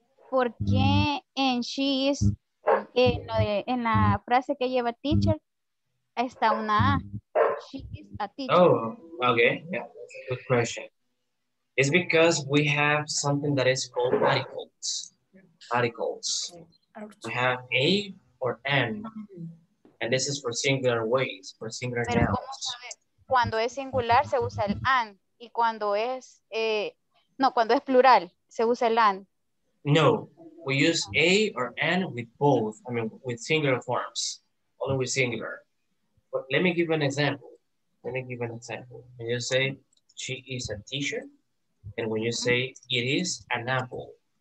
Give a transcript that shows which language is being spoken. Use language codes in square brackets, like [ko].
[es] ¿Por qué en [en] she is, [es] en la frase que lleva teacher, está una A? [en] She is a teacher. Oh, okay. Yeah, that's a good question. It's because we have something that is called articles. Articles. We have A or N. And this is for singular ways, for singular [es] pero [en] nouns. [es] ¿Cómo sabe? Cuando es singular, se usa el an. Y cuando es, cuando es plural, se usa el an. [en] No, we use A or N with both. I mean, with singular forms. Only with singular. But let me give you an example. let me give an example. When you say she is a teacher, and when you say it is an apple,